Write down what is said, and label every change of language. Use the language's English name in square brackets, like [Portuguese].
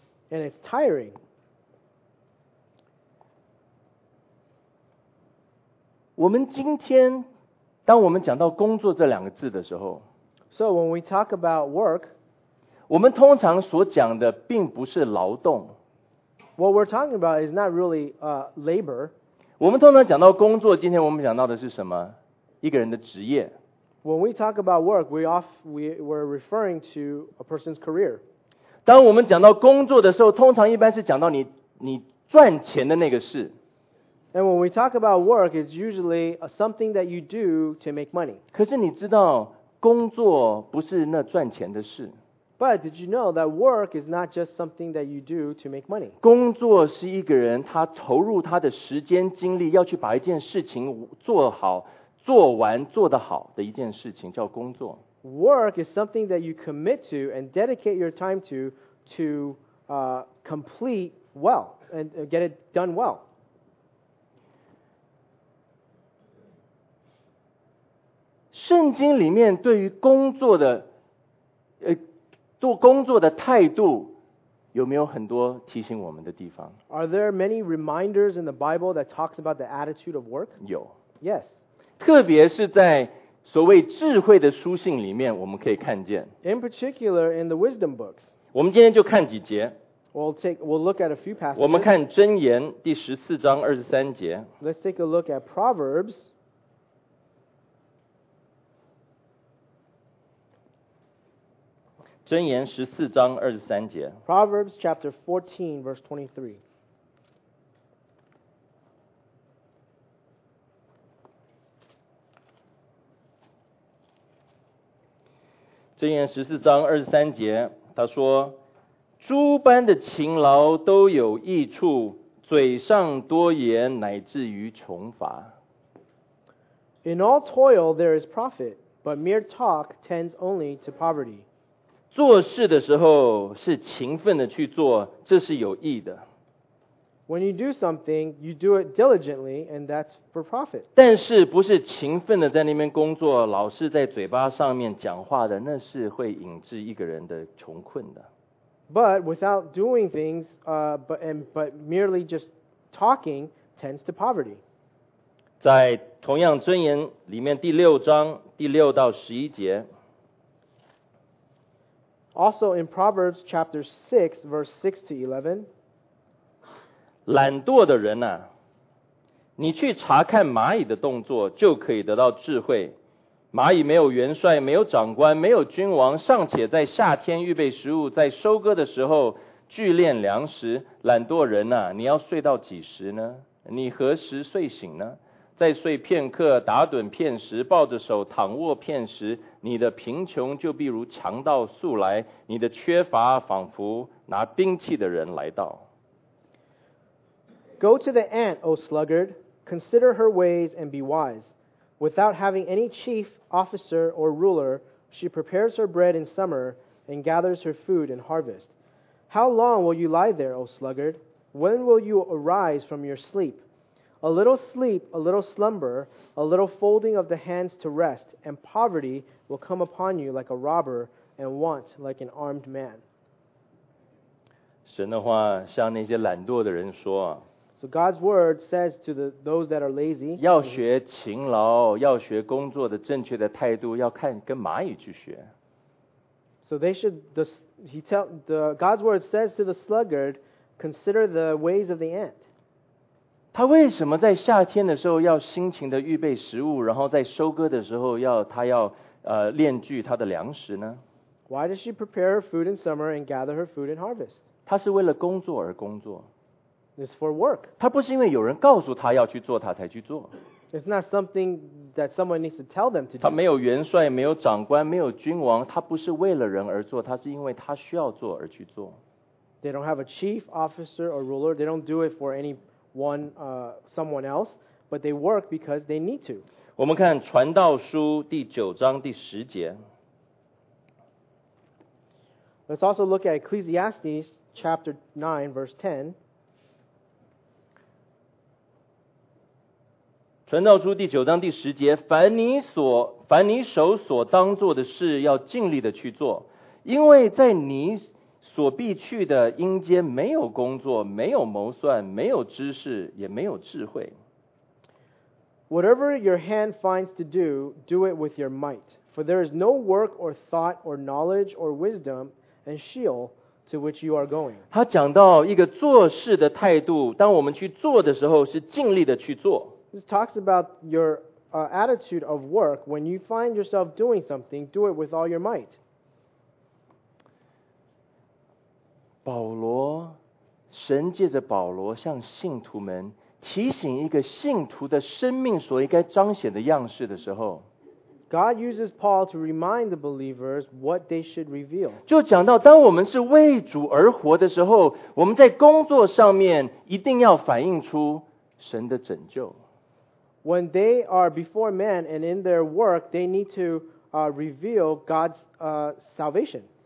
[English] And it's tiring. [Chinese] 我们今天，当我们讲到工作这两个字的时候。 [English] So when we talk about work, [Chinese] 我们通常所讲的并不是劳动。 [English] What we're talking about is not really labor. [Chinese] 我们通常讲到工作，今天我们讲到的是什么？一个人的职业。 [English] When we talk about work, we're referring to a person's career. [Chinese] 当我们讲到工作的时候，通常一般是讲到你赚钱的那个事。 [English] And when we talk about work, it's usually something that you do to make money. [Chinese] 可是你知道工作不是那赚钱的事。 [English] But did you know that work is not just something that you do to make money? [Chinese] 工作是一个人他投入他的时间精力要去把一件事情做好做完做得好的一件事情叫工作。 [English] Work is something that you commit to and dedicate your time to complete well and get it done well. [Chinese] 圣经里面对于工作的做工作的态度有没有很多提醒我们的地方？ [English] Are there many reminders in the Bible that talks about the attitude of work? [Chinese] 有。 [English] Yes. [Chinese] 特别是在所谓智慧的书信里面我们可以看见。 [English] In particular in the wisdom books. [Chinese] 我们今天就看几节。 [English] We'll look at a few passages. [Chinese] 我们看箴言第十四章二十三节。 [English] Let's take a look at Proverbs. [Chinese] 箴言十四章二十三节。 [English] Proverbs chapter 14 verse 23。 [Chinese] 箴言十四章二十三节，他说：“诸般的勤劳都有益处，嘴上多言乃至于穷乏。” [English] In all toil there is profit, but mere talk tends only to poverty. [Chinese] 做事的时候是勤奋的去做，这是有益的。 [English] When you do something, you do it diligently, and that's for profit. [Chinese] 但是不是勤奋的在那边工作，老是在嘴巴上面讲话的，那是会引致一个人的穷困的。 [English] But without doing things, but merely just talking tends to poverty. [Chinese] 在同样箴言里面第六章第六到十一节。 [English] Also in Proverbs chapter 6, verse 6 to 11. [Chinese] 懒惰的人啊，你去查看蚂蚁的动作，就可以得到智慧。蚂蚁没有元帅，没有长官，没有君王，尚且在夏天预备食物，在收割的时候聚敛粮食。懒惰人啊，你要睡到几时呢？你何时睡醒呢？再睡片刻，打盹片时，抱着手躺卧片时，你的贫穷就必如强盗速来，你的缺乏仿佛拿兵器的人来到。 [English] Go to the ant, O sluggard, consider her ways and be wise. Without having any chief, officer, or ruler, she prepares her bread in summer and gathers her food in harvest. How long will you lie there, O sluggard? When will you arise from your sleep? A little sleep, a little slumber, a little folding of the hands to rest, and poverty will come upon you like a robber and want like an armed man. [Chinese] 神的话向那些懒惰的人说， [English] So God's word says to those that are lazy, [Chinese] 要学勤劳，要学工作的正确的态度，要看跟蚂蚁去学。 [English] So they should, God's word says to the sluggard, consider the ways of the ant. [Chinese] 他为什么在夏天的时候要辛勤的预备食物，然后在收割的时候他要炼聚他的粮食呢？ [English] Why does she prepare her food in summer and gather her food in harvest? [Chinese] 他是为了工作而工作。 [English] It's for work. [Chinese] 他不是因为有人告诉他要去做他才去做。 [English] It's not something that someone needs to tell them to do. [Chinese] 他没有元帅，没有长官，没有君王，他不是为了人而做，他是因为他需要做而去做。 [English] They don't have a chief, officer, or ruler. They don't do it for anyone, someone else. But they work because they need to. [Chinese] 我们看传道书第九章第十节。 [English] Let's also look at Ecclesiastes chapter 9, verse 10. [Chinese] 传道书第九章第十节，凡你手所当做的事，要尽力的去做，因为在你所必去的阴间，没有工作，没有谋算，没有知识，也没有智慧。 [English] Whatever your hand finds to do, do it with your might, for there is no work or thought or knowledge or wisdom and skill to which you are going. [Chinese] 他讲到一个做事的态度，当我们去做的时候，是尽力的去做。 [English] This talks about your attitude of work. When you find yourself doing something, do it with all your might. [Chinese] 保罗，神借着保罗向信徒们提醒一个信徒的生命所应该彰显的样式的时候， [English] God uses Paul to remind the believers what they should reveal. [Chinese] 就讲到当我们是为主而活的时候，我们在工作上面一定要反映出神的拯救。 [English] When they are before men and in their work, they need to reveal God's salvation.